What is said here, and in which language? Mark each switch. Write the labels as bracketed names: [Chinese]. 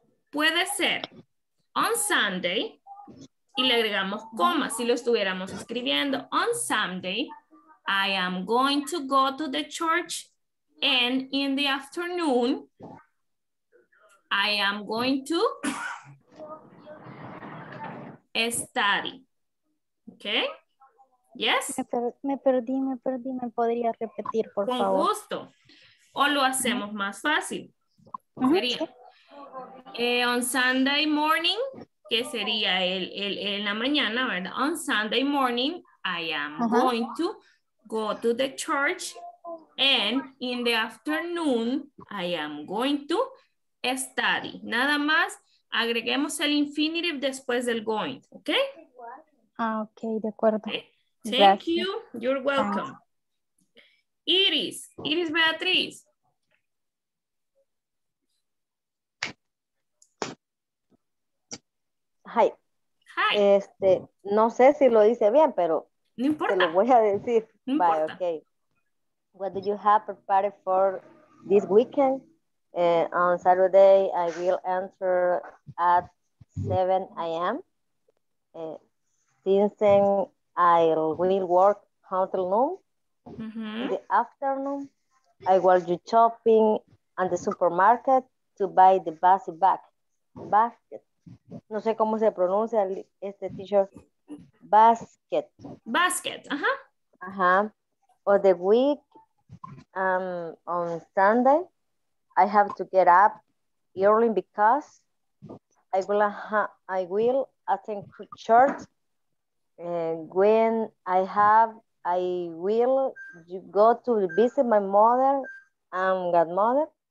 [Spanish] Puede ser [English] on Sunday [Spanish] y le agregamos coma si lo estuviéramos escribiendo. [English] On Sunday, I am going to go to the church and in the afternoon, I am going to study. Okay? Yes? [Spanish] Me perdí. ¿Me podría repetir, por con favor? Con gusto. O lo hacemos más fácil. Sería, [English] on Sunday morning, [Spanish] que sería el en la mañana, ¿verdad? [English] On Sunday morning, I am going to go to the church. And in the afternoon, I am going to study. [Spanish] Nada más agreguemos el infinitive después del going, ¿ok? Ah, ok, de acuerdo. Okay. [English] Thank you, you're welcome. Iris Beatriz. Hi. Hi. [Spanish] Este, no sé si lo hice bien, pero no importa. Te lo voy a decir. No importa. [English] Bye, okay. What do you have prepared for this weekend? On Saturday, I will enter at 7 a.m. Since then, I will work until noon. Mm-hmm. In the afternoon, I will do shopping at the supermarket to buy the basket. [Spanish] No sé cómo se pronuncia este t-shirt. [English] Basket. Basket, ajá. Ajá. For the week, on Sunday, I have to get up early because I will attend church. And when I have, I will go to visit my mother and godmother.